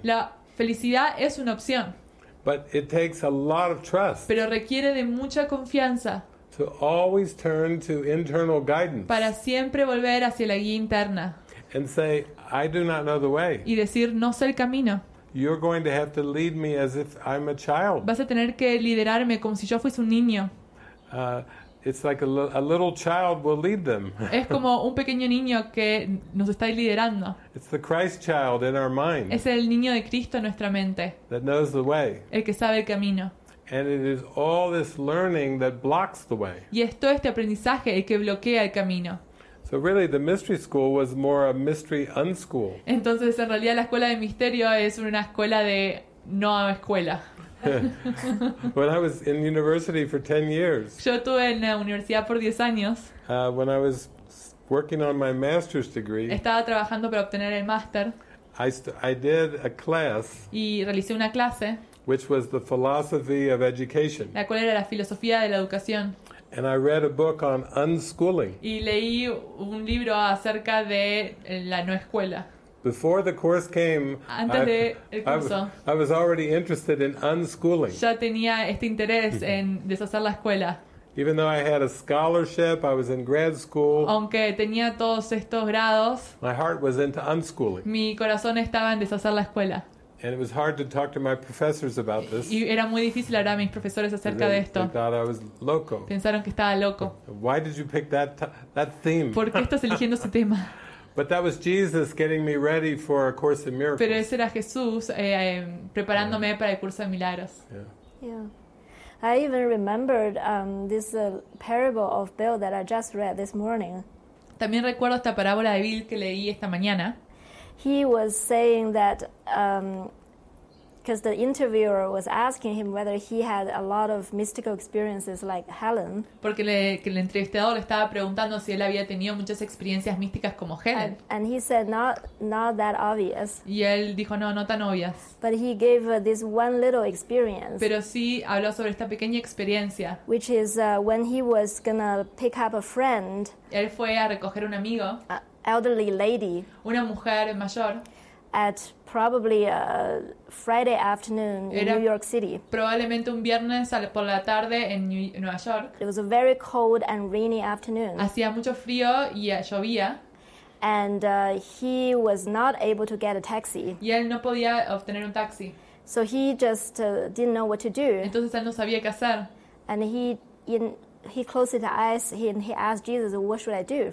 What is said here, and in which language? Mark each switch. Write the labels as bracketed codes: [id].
[es] La felicidad es una opción. [en] But it takes a lot of trust. [es] Pero requiere de mucha confianza. [en] To always turn to internal guidance. [es] Para siempre volver hacia la guía interna. [en] And say, I do not know the way. [es] Y decir, no sé el camino. [en] You're going to have to lead me as if I'm a child. [es] Vas a tener que liderarme como si yo fuese un niño. [en] It's like a little child will lead them. [es] Es como un pequeño niño que nos está liderando. [en] It's the Christ child in our mind. [es] Es el niño de Cristo en nuestra mente. [en] That knows the way. [es] El que sabe el camino. [en] And it is all this learning that blocks the way. [es] Y es todo este aprendizaje el que bloquea el camino. [en] So really, the mystery school was more a mystery unschool. [es] Entonces, en realidad, la escuela de misterio es una escuela de no escuela. [en] When I was in university for 10 years. [es] Yo estuve en la universidad por 10 años. [en] When I was working on my master's degree. [es] Estaba trabajando para obtener el máster. [en] I did a class. [es] Y realicé una clase. [en] Which was the philosophy of education. [es] La cual era la filosofía de la educación. [en] And I read a book on unschooling. [es] Y leí un libro acerca de la no escuela. [en] Before the course came, I was already interested in unschooling. [es] Ya tenía este interés en deshacer la escuela. [en] Even though I had a scholarship, I was in grad school. [es] Aunque tenía todos estos grados, [en] my heart was into unschooling. [es] Mi corazón estaba en deshacer la escuela. [en] And it was hard to talk to my professors about this. [es] Y era muy difícil hablar a mis profesores acerca de esto. [en] They thought I was loco. [es] Pensaron que estaba loco. [en] Why did you pick that theme? [es] ¿Por qué estás eligiendo ese tema? [en] But that was Jesus getting me ready for a Course in Miracles. [es] Pero ese era Jesús preparándome para el curso de milagros. [en] Yeah. I even remembered this parable of Bill that I just read this morning. [es] También recuerdo esta parábola de Bill que leí esta mañana. [en] He was saying that because the interviewer was asking him whether he had a lot of mystical experiences like Helen. [es] Porque el entrevistador le estaba preguntando si él había tenido muchas experiencias místicas como Helen. [en] And he said not that obvious. [es] Y él dijo no tan obvias. [en] But he gave this one little experience. [es] Pero sí habló sobre esta pequeña experiencia. [en] Which is when he was gonna pick up a friend. [es] Él fue a recoger un amigo. [en] Elderly lady. [es] Una mujer mayor. [en] At probably a Friday afternoon in New York City. [es] Probablemente un viernes por la tarde en Nueva York. [en] It was a very cold and rainy afternoon. [es] Hacía mucho frío y llovía. [en] And he was not able to get a taxi. [es] Y él no podía obtener un taxi. [en] So he just didn't know what to do. [es] Entonces él no sabía qué hacer. [en] And he closed his eyes and he asked Jesus, "What should I do?"